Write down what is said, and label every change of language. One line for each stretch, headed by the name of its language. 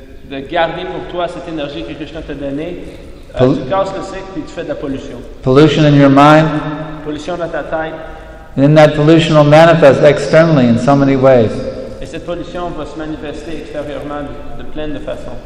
French: de garder pour toi cette énergie que Krishna t'a donnée, tu casses le cycle et tu fais de la pollution.
English: Pollution in your mind.
French: Pollution dans ta tête.
English: And then that pollution will manifest externally in so many ways.
French: Et cette pollution va se manifester extérieurement de plein de façons.